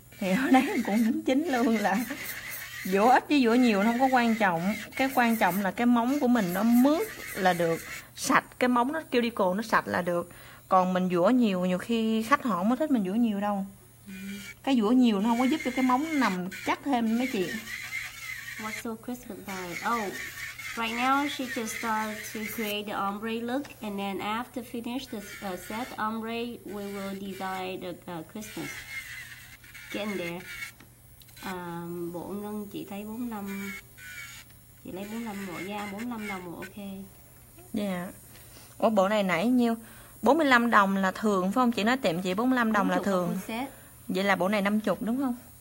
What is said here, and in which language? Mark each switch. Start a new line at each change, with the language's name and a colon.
Vietnamese: Thì ở đây cũng đính chính luôn là dũa ít với dũa nhiều nó không có quan trọng, cái quan trọng là cái móng của mình nó mướt là được, sạch, cái móng nó cuticle nó sạch là được. Còn mình dũa nhiều khi khách họ không có thích mình dũa nhiều đâu. Cái dũa nhiều nó không có giúp cho cái móng nằm chắc thêm mấy chị.
English: What's so crisp about it? Oh, right now she just started to create the ombre look, and then after finish the set ombre, we will design the crispness. Getting there.
Vietnamese: Bộ ngân chị thấy 45, chị lấy 45 bộ da, 45 đồng bộ ok. Yeah. Ủa bộ này nãy nhiêu? 45 đồng là thường phải không? Chị nói tiệm chị 45 đồng là thường. Vậy là bộ này 50 đúng không?